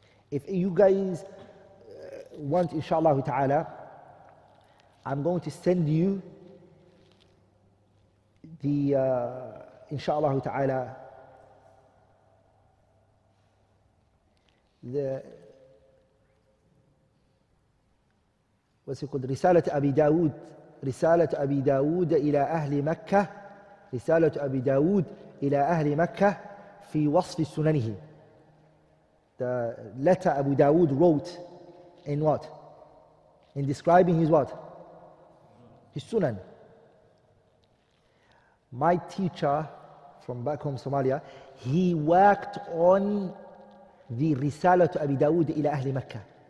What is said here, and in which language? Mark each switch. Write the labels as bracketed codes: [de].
[en] If you guys want, inshallah ta'ala, I'm going to send you the, inshallah ta'ala, the, what's it called? Risalat Abi Dawood. Risalat Abi Dawood ila Ahli Makkah. [ar] رسالة أبي داود إلى أهل مكة في وصف سننه. [en] The letter Abu Dawood wrote in what? In describing his what? His Sunan. My teacher from back home Somalia, he worked on the رسالة أبي داود إلى أهل مكة.